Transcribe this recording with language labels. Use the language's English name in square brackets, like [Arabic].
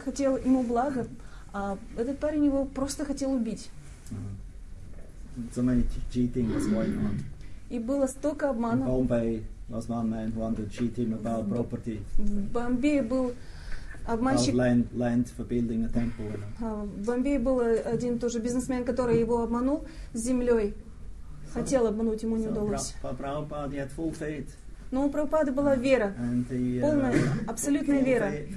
[Russian] хотел ему благо, а этот парень его просто хотел убить. [English] So many cheating was going on. [Russian] И было столько обмана. [English] In Bombay was one man who wanted to cheat him about property. [Russian] В Бомбее был обманщик. [English] About land for building a temple. [Russian] В Бомбее был один тоже бизнесмен, который его обманул с землей. Хотел обмануть, ему не удалось. [English] Prabhupada had full faith. [Russian] Но у Прабхупады была вера, полная, абсолютная вера.